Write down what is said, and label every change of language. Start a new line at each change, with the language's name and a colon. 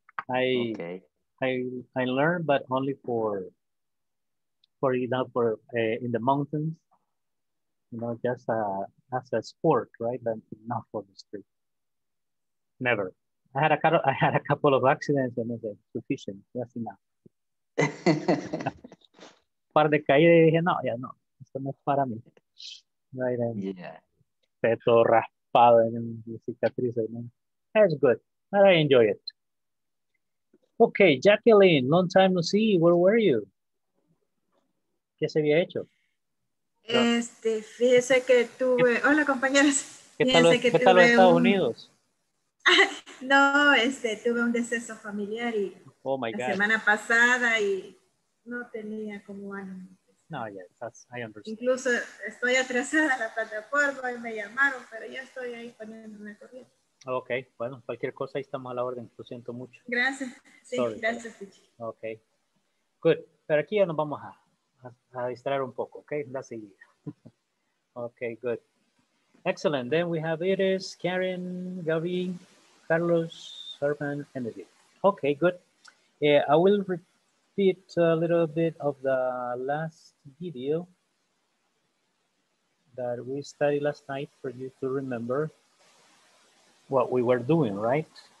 English: I learned, but only in the mountains, you know, just as a sport, right? But not for the street. Never. I had a couple of accidents and I said, sufficient, that's enough.
Spanish: Par de caída, dije, no, ya no, esto no es para mí.
English: Right? And yeah.
Spanish: Peto raspado en cicatrices,
English: man. That's good. But I enjoy it. Okay, Jacqueline, long time no see. Where were you?
Spanish: ¿Qué se había hecho? Fíjese que tuve... Hola, compañeros. ¿Qué tal los Estados Unidos? No, tuve un deceso familiar y...
English: Oh, my God.
Spanish: La semana pasada y no tenía como ánimo.
English: No, yeah, that's, I understand.
Spanish: Incluso estoy atrasada en la plataforma y me llamaron, pero ya estoy ahí poniéndome corriente. Ok, bueno, cualquier cosa, ahí estamos a la orden, lo siento mucho. Gracias, sí, sorry. Gracias. Ok, good, pero aquí ya nos vamos a distraer un poco, ok, la seguida.
English: Ok, good, excellent, then we have Iris, Karen, Gaby, Carlos, Herman, and Edith. Ok, good, I will repeat a little bit of the last video that we studied last night for you to remember what we were doing, right?